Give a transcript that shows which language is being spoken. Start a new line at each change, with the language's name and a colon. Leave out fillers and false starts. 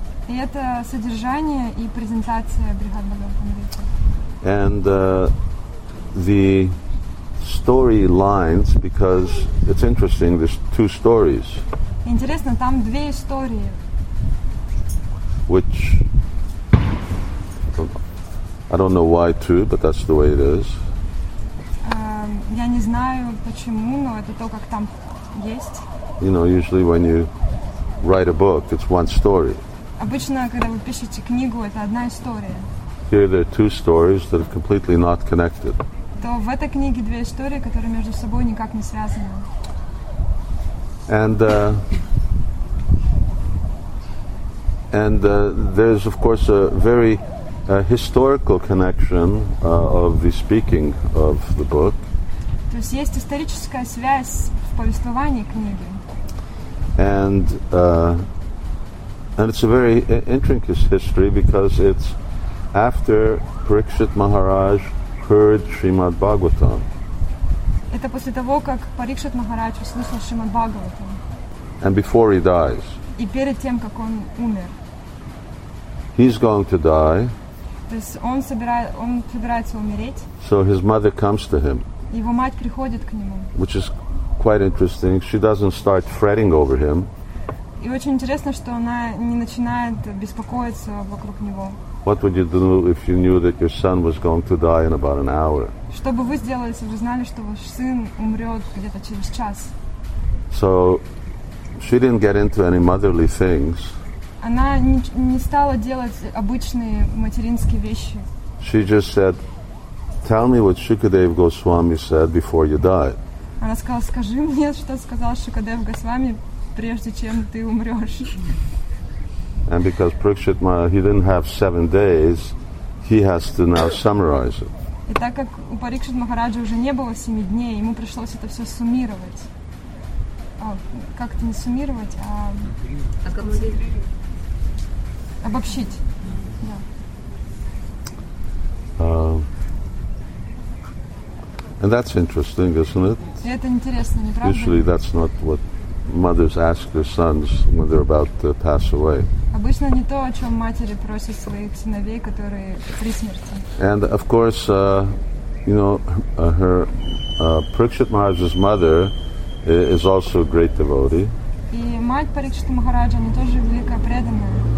Russian: И это содержание и презентация Брихад Бхагаватамриты.
English: And the story lines, because it's interesting, there's two stories.
Russian: Интересно, там две истории.
English: Which, I don't know why two, but that's the way it is.
Russian: Я не знаю почему, но это то, как там есть.
English: You know, usually when you write a book, it's one story.
Russian: Обычно, когда вы пишете книгу, это одна история.
English: Here there are two stories that are completely not connected.
Russian: То в этой книге две истории, которые между собой никак не связаны.
English: And there's, of course, a very historical connection of the speaking of the book.
Russian: То есть есть историческая связь в повествовании книги.
English: And it's a very intricate history because it's after Parikshit Maharaj heard Srimad Bhagavatam.
Russian: Это после того, как Парикшит Махарадж услышал Шримад Бхагаватам.
English: And before he dies.
Russian: И перед тем, как он умер.
English: He's going to die.
Russian: То есть он собирается умереть.
English: So his mother comes to him.
Russian: Его мать приходит к нему.
English: Which is quite interesting. She doesn't start fretting over him.
Russian: И очень интересно, что она не начинает беспокоиться вокруг него.
English: What would you do if you knew that your son was going to die in about an hour?
Russian: Что бы вы сделали, если бы знали, что ваш сын умрет где-то через час?
English: So she didn't get into any motherly things.
Russian: Она не стала делать обычные материнские вещи.
English: She just said, "Tell me what Shukadev Goswami said before you die."
Russian: Она сказала: "Скажи мне, что сказал Шукадев Госвами, прежде чем ты умрешь."
English: And because Parikshit Maharaj, he didn't have 7 days, he has to now summarize it.
Russian: И так как у Парикшит Махараджа уже не было 7 дней, ему пришлось это все суммировать. Как-то не суммировать, а обобщить.
English: And that's interesting, isn't it?
Russian: Это интересно, не правда?
English: Usually that's not what mothers ask their sons when they're about to pass away.
Russian: Обычно не то, о чем матери просят своих сыновей, которые при смерти.
English: And of course, Parikshit Maharaj's mother is also a great devotee.
Russian: И мать Парикшита Махараджа, она тоже великая преданная.